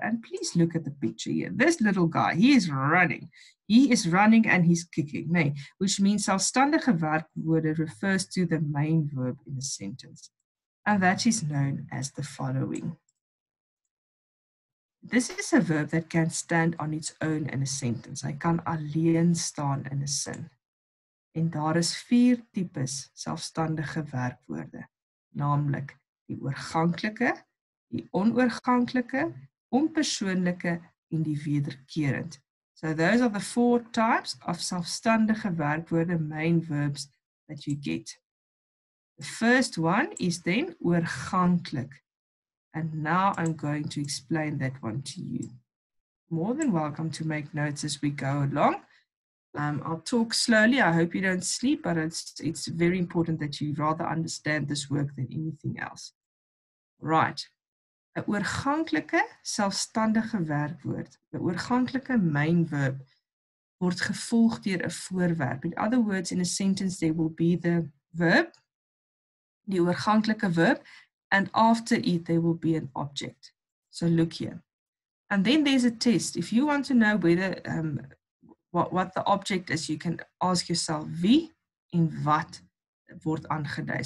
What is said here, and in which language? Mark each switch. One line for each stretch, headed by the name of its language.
English: And please look at the picture here. This little guy, he is running. He is running and he's kicking. Nee, which means zelfstandige werkwoorden refers to the main verb in a sentence. And that is known as the following. This is a verb that can stand on its own in a sentence.
Afrikaans: Hy kan alleen staan in 'n sin. En daar is vier types selfstandige werkwoorde, namelijk die oorganklike, die onoorganklike, onpersoonlike en die wederkerend.
English: So those are the four types of selfstandige werkwoorde, main verbs that you get. The first one is then oorganklik. And now I'm going to explain that one to you. More than welcome to make notes as we go along. I'll talk slowly. I hope you don't sleep, but it's very important that you rather understand this work than anything else. Right.
Afrikaans: 'N oorganklike selfstandige werkwoord. 'N oorganklike main verb word gevolg deur 'n voorwerp.
English: In other words, in a sentence, there will be the verb, die oorganklike verb, and after it, there will be an object. So look here. And then there's a test. If you want to know whether what the object is, you can ask yourself
Afrikaans: wie en wat word aangedui.